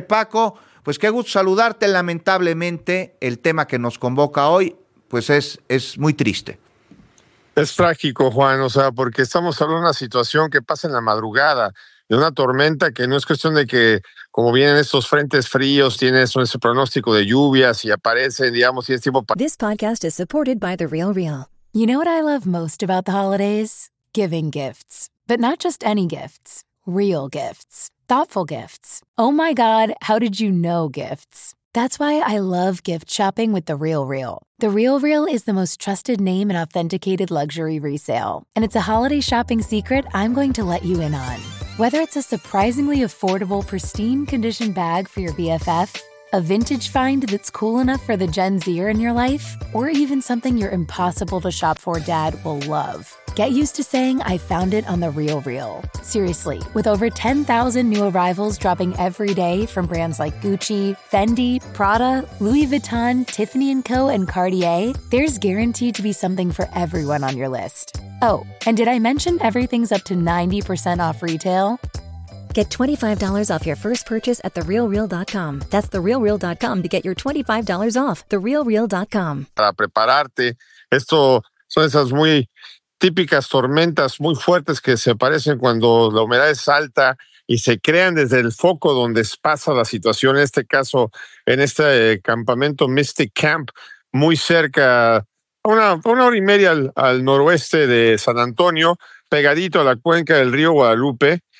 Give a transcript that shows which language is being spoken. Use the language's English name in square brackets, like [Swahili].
[Spanish] Paco, pues qué gusto saludarte. Lamentablemente, el tema que nos convoca hoy, pues es muy triste. Es trágico, Juan, o sea, porque estamos hablando de una situación que pasa en la madrugada, de una tormenta que no es cuestión de que, como vienen estos frentes fríos, tiene ese pronóstico de lluvias y aparecen, digamos, y es tipo... [English] This podcast is supported by The Real Real. You know what I love most about the holidays? Giving gifts. But not just any gifts. Real gifts. Thoughtful gifts. Oh my God, how did you know gifts? That's why I love gift shopping with The Real Real. The Real Real is the most trusted name in authenticated luxury resale. And it's a holiday shopping secret I'm going to let you in on. Whether it's a surprisingly affordable, pristine condition bag for your BFF, a vintage find that's cool enough for the Gen Zer in your life, or even something your impossible to shop for dad will love. Get used to saying, I found it on The Real Real. Seriously, with over 10,000 new arrivals dropping every day from brands like Gucci, Fendi, Prada, Louis Vuitton, Tiffany & Co., and Cartier, there's guaranteed to be something for everyone on your list. Oh, and did I mention everything's up to 90% off retail? Get $25 off your first purchase at TheRealReal.com. That's TheRealReal.com to get your $25 off. TheRealReal.com. [Spanish] Para prepararte, esto son esas muy típicas tormentas muy fuertes que se aparecen cuando la humedad es alta y se crean desde el foco donde pasa la situación. En este caso, en este campamento Mystic Camp, muy cerca, una hora y media al noroeste de San Antonio, pegadito a la cuenca del río Guadalupe.